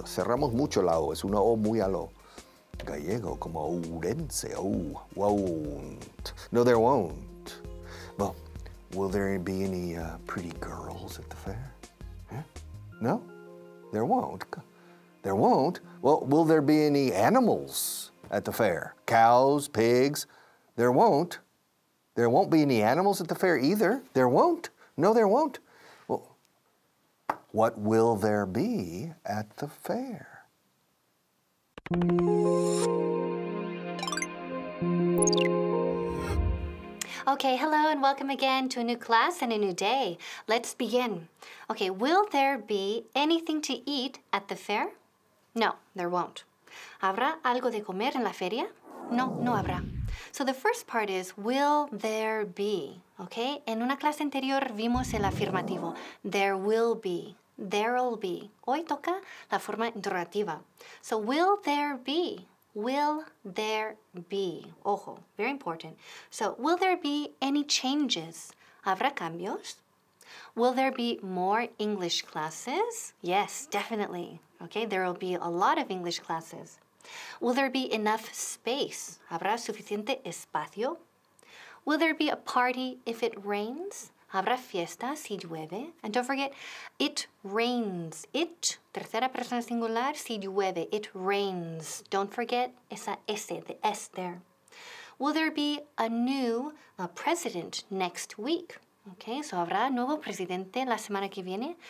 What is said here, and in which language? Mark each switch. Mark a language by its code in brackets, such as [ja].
[es] Cerramos mucho la O. Es una O muy a lo gallego, como ourense. [en] Oh, won't. No, there won't. Well, will there be any pretty girls at the fair? Huh? No, there won't. There won't. Well, will there be any animals at the fair? Cows, pigs? There won't. There won't be any animals at the fair either. There won't. No, there won't. What will there be at the fair? Okay, hello and welcome again to a new class and a new day. Let's begin. Okay, will there be anything to eat at the fair? No, there won't. [es] ¿Habrá algo de comer en la feria? No, no habrá. [en] So the first part is, will there be? [es] Okay, en una clase anterior vimos el afirmativo. [en] There will be. There'll be. [es] Hoy toca la forma interrogativa. [en] So, will there be? Will there be? [es] Ojo, [en] very important. So, will there be any changes? [es] ¿Habrá cambios? [en] Will there be more English classes? Yes, definitely. Okay, there'll be a lot of English classes. Will there be enough space? [es] ¿Habrá suficiente espacio? [en] Will there be a party if it rains? [es] ¿Habrá fiesta si llueve? [en] And don't forget, it rains. [es] It, tercera persona singular, si llueve. [en] It rains. Don't forget [es] esa [en] S, the S there. Will there be a new president next week? Okay, so [es] ¿habrá nuevo presidente la semana que viene?